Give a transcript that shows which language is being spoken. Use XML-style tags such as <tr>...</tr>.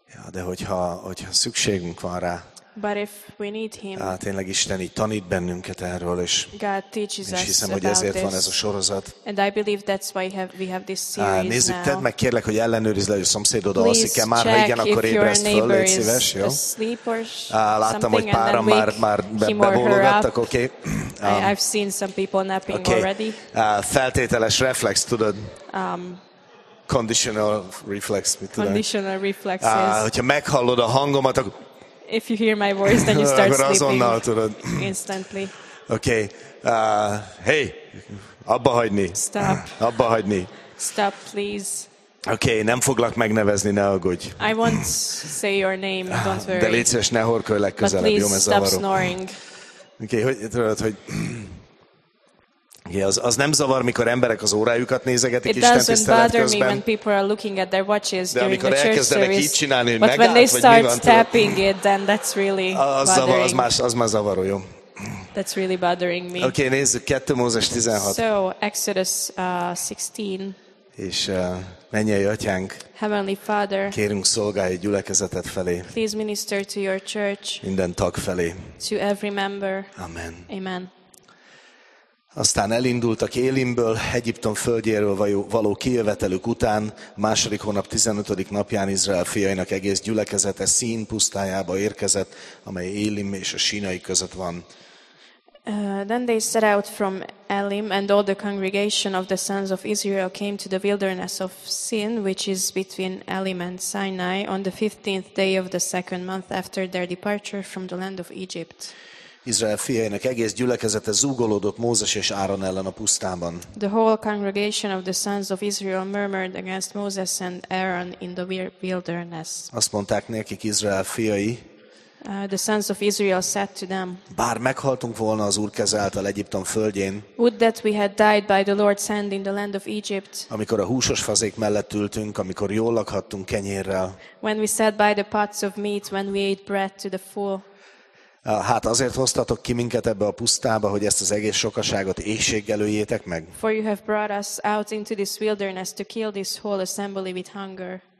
<hu>De hogyha szükségünk van rá.</hu> <en>But if we need him.</en> <hu>Tényleg Isten így tanít bennünket erről, és hiszem, hogy ezért van ez a sorozat.</hu> <en>And I believe that's why we have this series now.</en> <hu>Nézzük, tedd meg kérlek, hogy ellenőrizd le, hogy a szomszédod alszik-e már, ha igen, akkor ébreszt föl, légy szíves, jó? Láttam, hogy páran már bebólogattak, oké?</hu> <en>I've seen some people napping already.</en> <hu>Feltételes reflex, tudod?</hu> <en>Conditional reflex,</en> <hu>mit tudom.</hu> <en>Conditional reflexes.</en> <hu>Hogyha meghallod a hangomat, akkor...</hu> <en>If you hear my voice, then you start</en> <hu>akkor azonnal</hu> <en>sleeping.</en> <hu>Tudod.</hu> <en>Instantly.</en> <hu>Okay. Hey, abba hagyni.</hu> <en>Stop.</en> <hu>Abba hagyni.</hu> <en>Stop, please.</en> <hu>Okay, nem foglak megnevezni, ne aggódj.</hu> <en>I won't say your name, don't worry.</en> <hu>De légy szíves, ne horkolj legközelebb, jó, mert zavarok.</hu> <en>But please stop snoring.</en> <hu>Okay, hogy tudod, hogy... Yeah, az nem zavar, mikor emberek az órájukat nézegetik Isten tiszteletközben.</hu> <en>It doesn't bother me when people are looking at their watches during the church service.</en> <hu>De amikor elkezdenek így csinálni, hogy megállt, vagy mi van.</hu> <en>But when they start tapping it, then that's really</en> <hu>az</hu> <en>bothering.</en> <hu>Az már zavaró, jó.</hu> <en>That's really bothering me.</en> <hu>Okay, nézzük, 2 Mózes 16.</hu> <en>So, Exodus 16.</en> <hu>És mennyei atyánk,</hu> <en>Heavenly Father,</en> <hu>kérünk szolgálj egy gyülekezetet felé,</hu> <en>please minister to your church,</en> <hu>minden tag felé,</hu> <en>to every member.</en> <hu>Amen.</hu> <en>Amen.</en> <hu>Aztán elindultak Élimből, Egyiptom földjéről való kijövetelük után, 2. hónap 15. napján Izrael fiainak egész gyülekezete Szín pusztájába érkezett, amely Élim és a Sínai között van.</hu> <en>Then they set out from Elim, and all the congregation of the sons of Israel came to the wilderness of Sin, which is between Elim and Sinai, on the 15th day of the second month after their departure from the land of Egypt.</en> <hu>Izrael fiainak egész gyülekezete zúgolódott Mózes és Áron ellen a pusztában.</hu> <en>The whole congregation of the sons of Israel murmured against Moses and Aaron in the wilderness.</en> <hu>Azt mondták nekik Izrael fiai,</hu> <en>The sons of Israel said to them,</en> <hu>bár meghaltunk volna az Úr keze által Egyiptom földjén,</hu> <en>would that we had died by the Lord's hand in the land of Egypt,</en> <hu>amikor a húsos fazék mellett ültünk, amikor jól lakhattunk kenyérrel,</hu> <en>when we sat by the pots of meat, when we ate bread to the full.</en> <hu>Hát azért hoztatok ki minket ebbe a pusztába, hogy ezt az egész sokaságot éhséggel öljétek meg.</hu> <en>For you have brought us out into this wilderness to kill this whole assembly with hunger.</en>